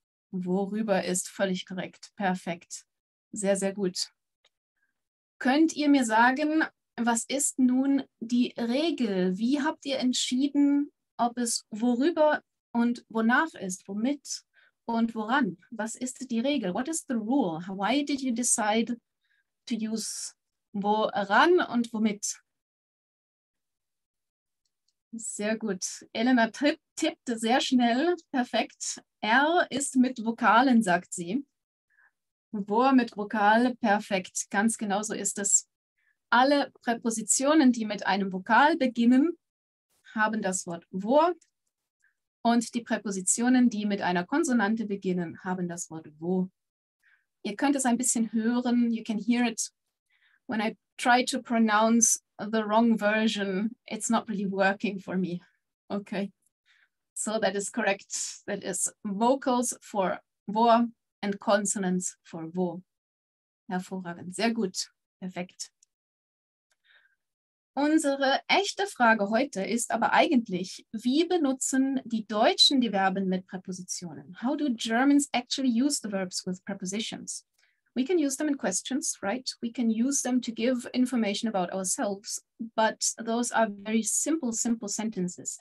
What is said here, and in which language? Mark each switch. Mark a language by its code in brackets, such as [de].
[de] Worüber ist völlig korrekt. Perfekt. Sehr, sehr gut. Könnt ihr mir sagen, was ist nun die Regel? Wie habt ihr entschieden, ob es worüber und wonach ist, womit und woran? Was ist die Regel? [en] What is the rule? Why did you decide to use [de] woran und womit? Sehr gut. Elena tippte sehr schnell. Perfekt. R ist mit Vokalen, sagt sie. Wo mit Vokal? Perfekt. Ganz genau so ist es. Alle Präpositionen, die mit einem Vokal beginnen, haben das Wort wo. Und die Präpositionen, die mit einer Konsonante beginnen, haben das Wort wo. Ihr könnt es ein bisschen hören. [en] You can hear it. When I try to pronounce the wrong version, it's not really working for me. Okay. So that is correct. That is vocals for wo and consonants for wo. [de] Hervorragend. Sehr gut. Perfekt. Unsere echte Frage heute ist aber eigentlich, wie benutzen die Deutschen die Verben mit Präpositionen? [en] How do Germans actually use the verbs with prepositions? We can use them in questions, right? We can use them to give information about ourselves, but those are very simple, simple sentences.